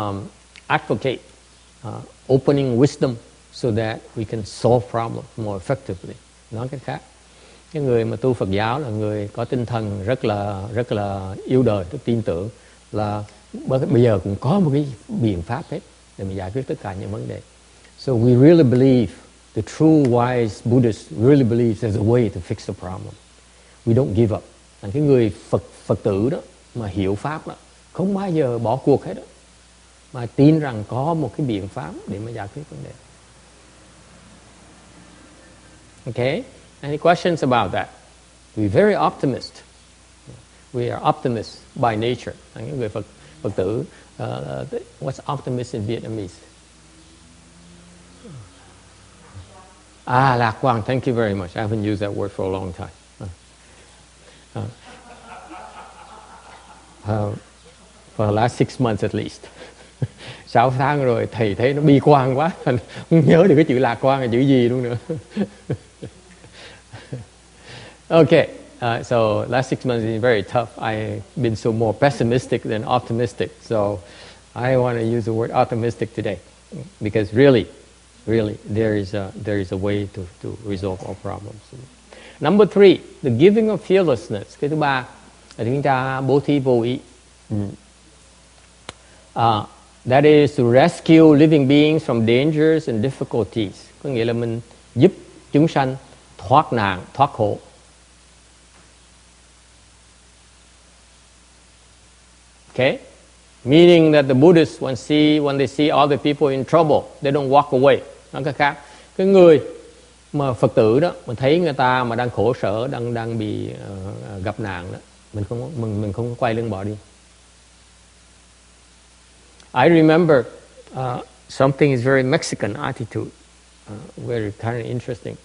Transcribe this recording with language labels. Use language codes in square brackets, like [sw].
[en] We really advocate opening wisdom so that we can solve problems more effectively. [vi] Nói cách khác, cái người mà tu Phật giáo là người có tinh thần rất là yêu đời, rất tin tưởng là bây giờ cũng có một cái biện pháp hết để mình giải quyết tất cả những vấn đề. [en] So we really believe, the true wise Buddhist really believes there's a way to fix the problem. We don't give up. [vi] Là cái người Phật tử đó mà hiểu pháp đó, không bao giờ bỏ cuộc hết đó. mà tin rằng có một cái biện pháp để mà giải quyết vấn đề. [en] Okay, any questions about that? We very optimist. We are optimists by nature. [vi] Người Phật tử, [en] what's optimist in Vietnamese? [vi] Ah, lạc quan. [en] Thank you very much. I haven't used that word for a long time. For the last 6 months at least. [vi] 6 tháng rồi thầy thấy nó bi quan quá, không nhớ được cái chữ lạc quan là chữ gì luôn nữa. [en] Okay, so last 6 months been very tough. I've been so more pessimistic than optimistic. So I want to use the word optimistic today, because really, really there is a way to resolve all problems. Number three, the giving of fearlessness. [vi] Cái thứ ba là chúng ta bố thí vô ý. [en] That is to rescue living beings from dangers and difficulties. [vi] Có nghĩa là mình giúp chúng sanh thoát nạn, thoát khổ. [en] Okay? Meaning that the Buddhists, when they see all the people in trouble, they don't walk away. [vi] Nói cách khác, cái người mà Phật tử đó, mà thấy người ta mà đang khổ sở, đang bị gặp nạn đó, mình không quay lưng bỏ đi. [en] I remember something is very Mexican attitude, very kind of interesting.